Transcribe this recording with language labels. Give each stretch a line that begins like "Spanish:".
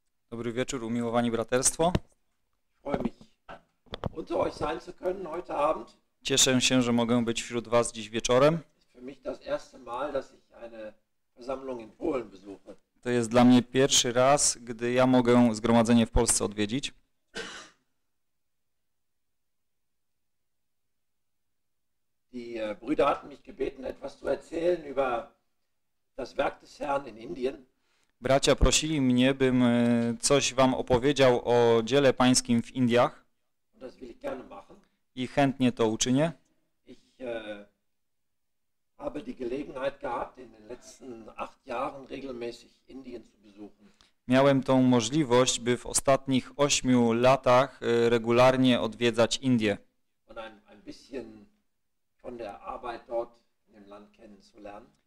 Polish: Dobry wieczór, umiłowani braterstwo.
German: Freue mich, unter euch sein zu können heute Abend.
Polish: Cieszę się, że mogę być wśród was dziś wieczorem.
German: Für mich das erste Mal, dass ich eine Versammlung in Polen besuche.
Polish: To jest dla mnie pierwszy raz, gdy ja mogę zgromadzenie w Polsce odwiedzić.
German: Die Brüder hatten mich gebeten, etwas zu erzählen über das Werk des Herrn in Indien.
Polish: Bracia prosili mnie, bym coś wam opowiedział o dziele pańskim w Indiach.
German: Das will ich gerne machen.
Polish: I chętnie to uczynię.
German: Ich habe die Gelegenheit gehabt, in den letzten 8 Jahren regelmäßig Indien zu besuchen.
Polish: Miałem tą możliwość, by w ostatnich 8 latach regularnie odwiedzać Indie.
German: Und ein bisschen von der Arbeit dort in dem Land kennenzulernen.